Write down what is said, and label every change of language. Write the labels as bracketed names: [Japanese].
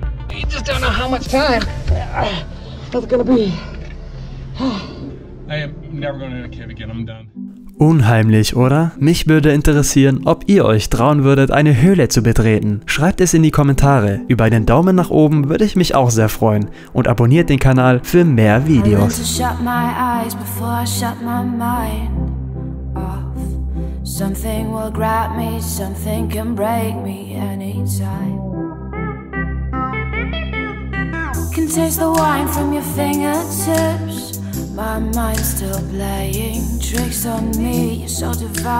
[English] You just don't know how much time that's gonna be. I am never going in a cave again, I'm done. [German] Unheimlich, oder? Mich würde interessieren, ob ihr euch trauen würdet, eine Höhle zu betreten. Schreibt es in die Kommentare. Über einen Daumen nach oben würde ich mich auch sehr freuen. Und abonniert den Kanal für mehr Videos. [English] I learned to shut my eyes before I shut my mind off. Something will grab me, something can break me anytime. Can taste the wine from your fingertips. My mind's still playing tricks on me, you're so divine.